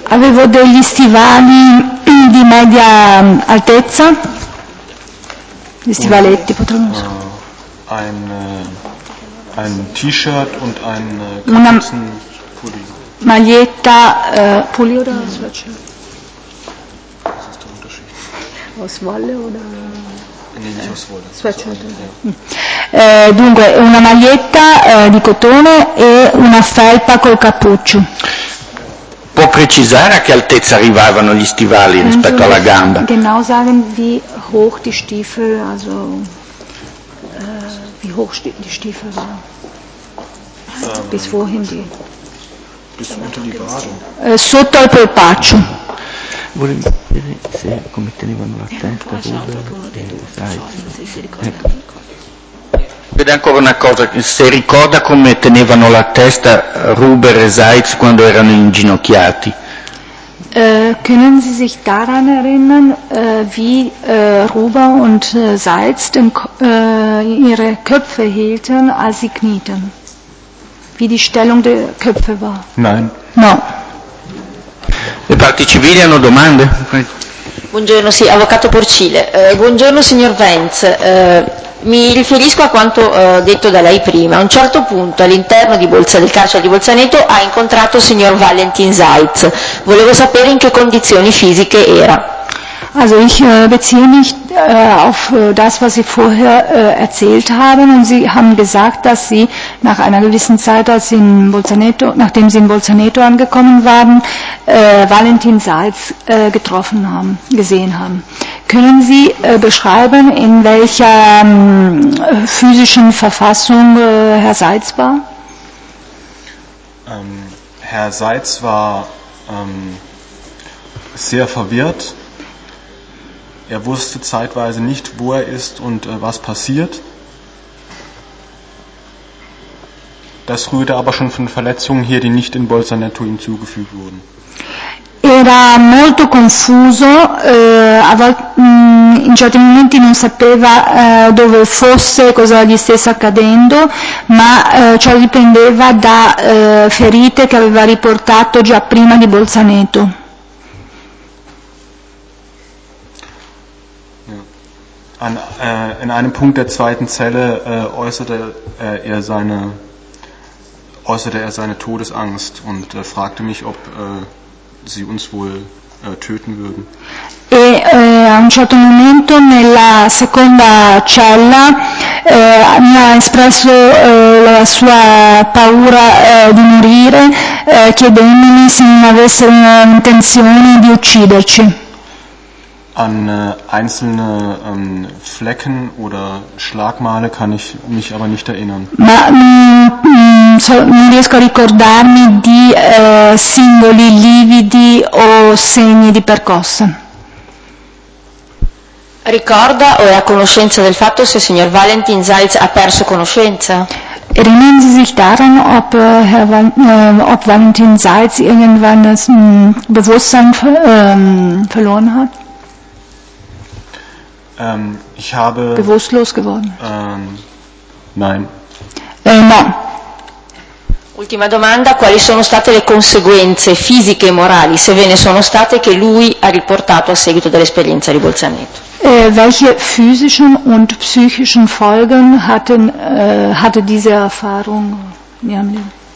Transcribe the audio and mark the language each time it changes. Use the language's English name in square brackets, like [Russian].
[Italian] Avevo degli stivali di media altezza. Gli stivaletti, potremmo dire. [German] Ein T-Shirt und ein Kapuzenpulli. [Italian] Maglietta, [German] Pulli oder Sweatshirt? Aus Wolle oder? [Italian] Dunque, una maglietta di cotone e una felpa col cappuccio. Può precisare a che altezza arrivavano gli stivali rispetto alla gamba? [German] Genau sagen, wie hoch die Stiefel, also wie hoch die Stiefel waren. Bis wohin die? Bis unter die Wade. [Italian] Sotto al polpaccio. Volevi vedere se come tenevano la testa vede ancora una cosa, se ricorda come tenevano la testa Ruber e Seitz quando erano inginocchiati. [German] Können Sie sich daran erinnern, wie Ruber und Seitz ihre Köpfe hielten, als sie knieten? Wie die Stellung der Köpfe war? Nein. [Italian] No. Le parti civili hanno domande? Buongiorno, sì, avvocato Porcile. Buongiorno signor Wenz, mi riferisco a quanto detto da lei prima. A un certo punto all'interno del carcere di Bolzaneto ha incontrato il signor Valentin Seitz. Volevo sapere in che condizioni fisiche era. [German] Also ich beziehe mich auf das, was Sie vorher erzählt haben, und Sie haben gesagt, dass Sie nach einer gewissen Zeit, als Sie in Bolzaneto, nachdem Sie in Bolzaneto angekommen waren, Valentin Seitz getroffen haben, gesehen haben. Können Sie beschreiben, in welcher physischen Verfassung Herr Seitz war? Herr Seitz war sehr verwirrt. Er wusste zeitweise nicht, wo er ist und was passiert. Das rührte aber schon von Verletzungen her, die nicht in Bolzaneto ihm zugefügt wurden. [Italian] Era molto confuso, in certi momenti non sapeva dove fosse, cosa gli stesse accadendo, ma ciò dipendeva da ferite che aveva riportato già prima di Bolzaneto. [German] Ja. In einem Punkt der zweiten Zelle äußerte er seine Todesangst und fragte mich, ob sie uns wohl töten würden. [Italian] E a un certo momento nella seconda cella mi ha espresso la sua paura di morire, chiedendomi se non avessero intenzione di ucciderci. [German] An einzelne Flecken oder Schlagmale kann ich mich aber nicht erinnern. [Italian] Ma non riesco a ricordarmi di singoli lividi o segni di percosse. Ricorda o è a conoscenza del fatto se il signor Valentin Salz ha perso conoscenza? [German] Erinnern Sie sich daran, ob Herr ob Valentin Salz irgendwann das Bewusstsein verloren hat? Ich habe bewusstlos geworden. Nein. [Italian] No. Ultima domanda, quali sono state le conseguenze fisiche e morali, se ve ne sono state, che lui ha riportato a seguito dell'esperienza di Bolzaneto? [German] Welche physischen und psychischen Folgen hatte diese Erfahrung in ihrem Leben?